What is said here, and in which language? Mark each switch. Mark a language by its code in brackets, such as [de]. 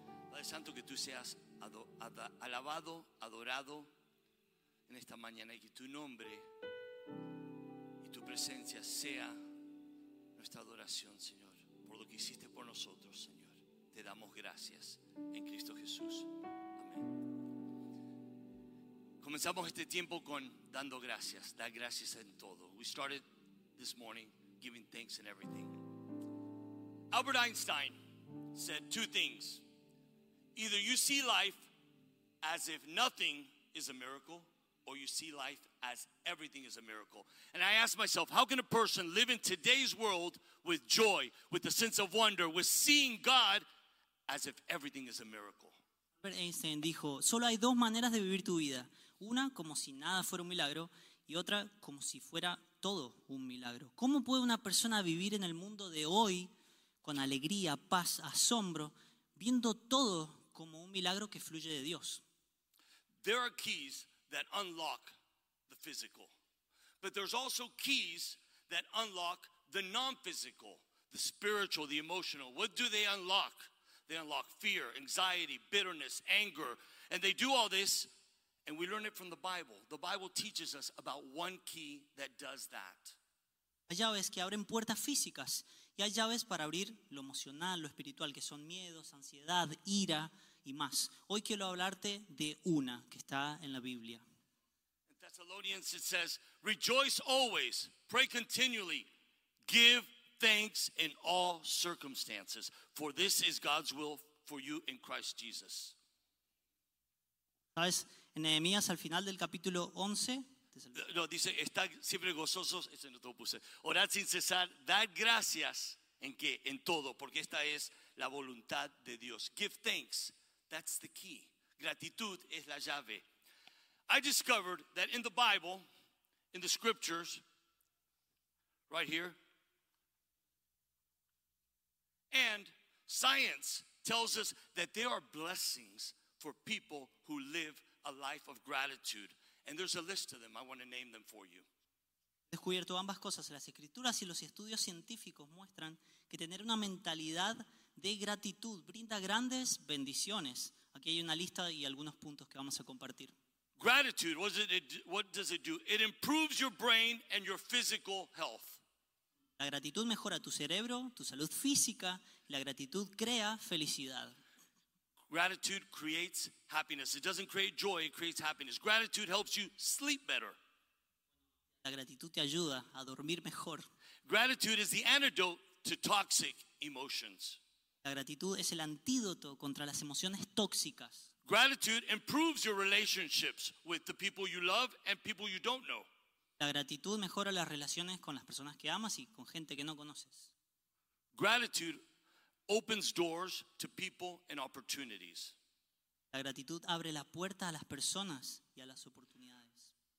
[es] Padre Santo, que tú seas alabado, adorado en esta mañana y que tu nombre y tu presencia sea esta adoración, Señor, por lo que hiciste por nosotros, Señor. Te damos gracias en Cristo Jesús. Amén. Comenzamos este tiempo con dando gracias, dar gracias en todo. [en] We started this morning giving thanks in everything. Albert Einstein said two things. Either you see life as if nothing is a miracle, or you see life as everything is a miracle. And I ask myself, how can a person live in today's world with joy, with a sense of wonder, with seeing God as if everything is a miracle? [es] Albert Einstein dijo, solo hay dos maneras de vivir tu vida. Una, como si nada fuera un milagro, y otra, como si fuera todo un milagro. ¿Cómo puede una persona vivir en el mundo de hoy con alegría, paz, asombro, viendo todo como un milagro que fluye de Dios? [en] There are keys that unlock the physical. But there's also keys that unlock the non-physical, The spiritual, the emotional. What do they unlock? They unlock fear, anxiety, bitterness, anger. And they do all this, and we learn it from the Bible. The Bible teaches us about one key that does that. [es] Hay llaves que abren puertas físicas y hay llaves para abrir lo emocional, lo espiritual, que son miedos, ansiedad, ira y más. Hoy quiero hablarte de una que está en la Biblia. [en] In Thessalonians it says, rejoice always, pray continually, give thanks in all circumstances, for this is God's will for you in Christ Jesus. [es] ¿Sabes? En Nehemías al final del capítulo 11, no, dice, estar siempre gozosos, ese no te lo puse. Orar sin cesar, dar gracias en que en todo, porque esta es la voluntad de Dios. [en] Give thanks, that's the key. [es] Gratitud es la llave. [en] I discovered that in the Bible, in the scriptures, right here, and science tells us that there are blessings for people who live a life of gratitude. And there's a list of them. I want to name them for you. [es] Descubierto ambas cosas, las escrituras y los estudios científicos muestran que tener una mentalidad de gratitud brinda grandes bendiciones. Aquí hay una lista y algunos puntos que vamos a compartir. [en] Gratitude, what does it do? It improves your brain and your physical health. [es] La gratitud mejora tu cerebro, tu salud física. La gratitud crea felicidad. [en] Gratitude creates happiness. It doesn't create joy, it creates happiness. Gratitude helps you sleep better. [es] La gratitud te ayuda a dormir mejor. [en] Gratitude is the antidote to toxic emotions. [es] La gratitud es el antídoto contra las emociones tóxicas. [en] Gratitude improves your relationships with the people you love and people you don't know. [es] La gratitud mejora las relaciones con las personas que amas y con gente que no conoces. [en] Gratitude opens doors to people and opportunities. [es] La gratitud abre la puerta a las personas y a las oportunidades.